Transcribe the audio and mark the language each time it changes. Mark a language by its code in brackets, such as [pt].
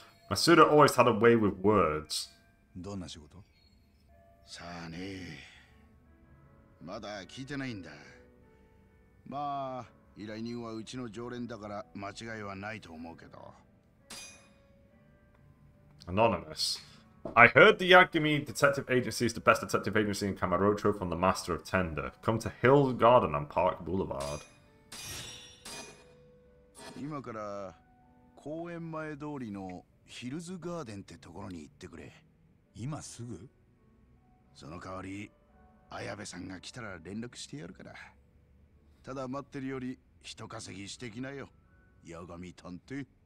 [en] Masuda always had a way with words. [ja] どんな仕事？さあね。まだ聞いてないんだ。まあ依頼人はうちの常連だから間違いはないと思うけど。 [en] Anonymous. I heard the Yagami Detective Agency is the best detective agency in Kamurocho from the Master of Tender. Come to Hill Garden on Park Boulevard. [ja] 今から公園前通りのヒルズガーデンってところに行ってくれ。今すぐ？その代わり、綾部さんが来たら連絡してやるから。ただ待ってるより人稼ぎしてきなよ、八神探偵。